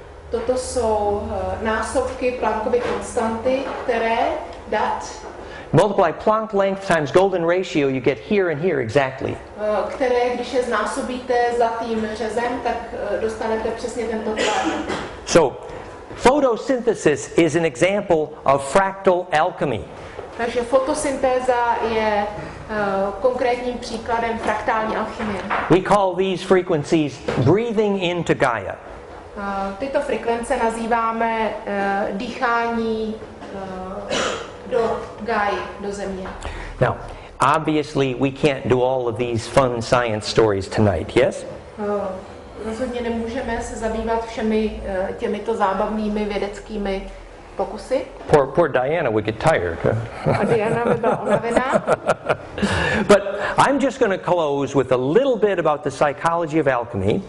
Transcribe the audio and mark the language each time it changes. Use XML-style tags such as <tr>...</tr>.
<cs>Toto jsou násobky Planckovy konstanty, které dat.</cs> <en>Multiply Planck length times golden ratio, you get here and here exactly.</en> <cs>Které, když je znásobíte zlatým řezem, tak dostanete přesně tento tvar.</cs> <en>So, photosynthesis is an example of fractal alchemy.</en> <cs>Takže fotosyntéza je konkrétním příkladem fraktální alchymie.</cs> <en>We call these frequencies breathing into Gaia.</en> <cs>Tyto frekvence nazýváme dýchání do Gaia, do Země.</cs> <en>Now, obviously we can't do all of these fun science stories tonight, yes?</en> <cs>Rozhodně nemůžeme se zabývat všemi těmito zábavnými vědeckými pokusy.</cs> <en>Poor Diana would get tired.</en> <cs>A Diana by byla unavená.</cs> <en>But I'm just going to close with a little bit about the psychology of alchemy.</en>